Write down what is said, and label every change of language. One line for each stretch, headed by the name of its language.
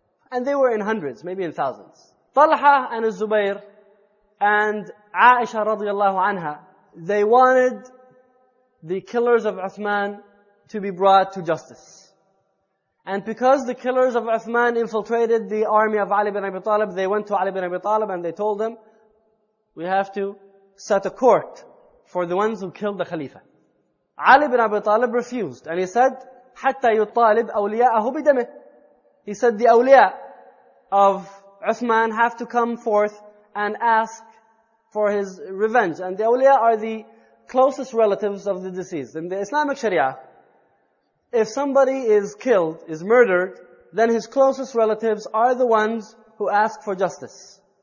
English: And they were in hundreds, maybe in thousands. Talha and Az-Zubayr and Aisha radiallahu anha, they wanted the killers of Uthman to be brought to justice. And because the killers of Uthman infiltrated the army of Ali ibn Abi Talib, they went to Ali ibn Abi Talib and they told him, we have to set a court for the ones who killed the Khalifa. Ali ibn Abi Talib refused. And he said,
Arabic: حتى يطالب أولياءه بدمه.
English: He said, the awliya of Uthman have to come forth and ask for his revenge. And the awliya are the closest relatives of the deceased. In the Islamic Sharia, if somebody is killed, is murdered, then his closest relatives are the ones who ask for justice.